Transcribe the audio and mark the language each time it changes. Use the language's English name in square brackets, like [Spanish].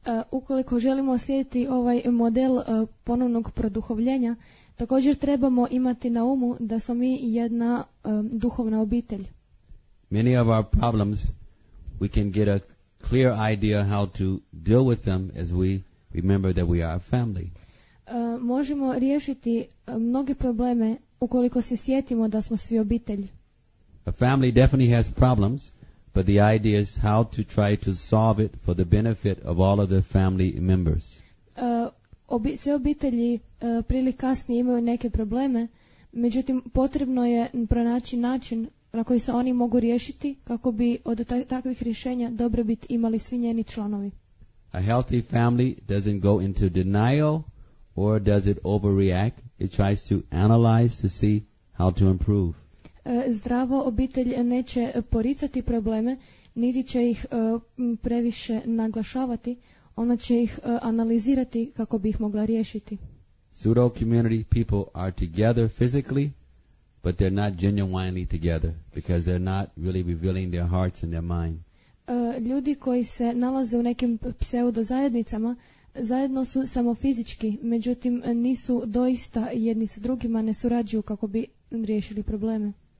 [Croatian] Ukoliko želimo slijediti ovaj model ponovnog produhovljenja, također trebamo imati na umu da smo mi jedna duhovna obitelj. [English] Many of our problems, we can get a clear idea how to deal with them as we remember that we are a family. [Croatian] Možemo riješiti mnoge probleme ukoliko se sjetimo da smo svi obitelj. [English] A family definitely has problems, but the idea is how to try to solve it for the benefit of all of the family members. [Croatian] Sve obitelji prije ili kasnije imaju neke probleme, međutim potrebno je pronaći način na koji se oni mogu riješiti kako bi od takvih rješenja dobrobit imali svi njeni članovi. [English] A healthy family doesn't go into denial or does it overreact. It tries to analyze to see how to improve. [Croatian] Zdravo obitelj neće poricati probleme, niti će ih previše naglašavati. Ona će ih analizirati kako bi ih mogla riješiti. [English] Pseudo community people are together physically, but they're not genuinely together because they're not really revealing their hearts and their mind. [Croatian] Ljudi koji se nalaze u nekim pseudo zajednicama zajedno su samo fizički, međutim nisu doista jedni sa drugima, ne surađuju kako bi riješili probleme.